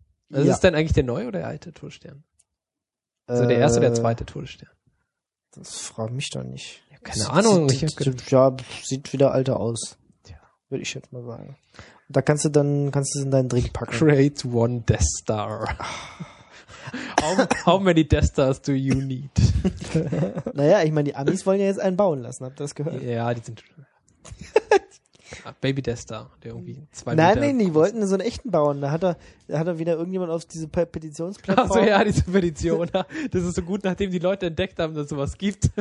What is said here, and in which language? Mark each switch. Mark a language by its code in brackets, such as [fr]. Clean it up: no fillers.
[de] Also ja. Ist denn eigentlich der neue oder der alte Todesstern? Also der erste oder der zweite Todesstern? Das fragt mich doch nicht. Ja, keine Ahnung. Sieht wieder alter aus. Würde ich jetzt mal sagen. Und da kannst du es in deinen Drink packen. [en] Create one Death Star. How many Death Stars do you need? [de] Naja, ich meine, die Amis wollen ja jetzt einen bauen lassen, habt ihr das gehört? Ja, die sind Baby Death Star, der irgendwie 2 Nein, Meter nee, die wollten so einen echten bauen. Da hat er wieder irgendjemand auf diese Petitionsplattform. Achso, ja, diese Petition. Das ist so gut, nachdem die Leute entdeckt haben, dass es sowas gibt.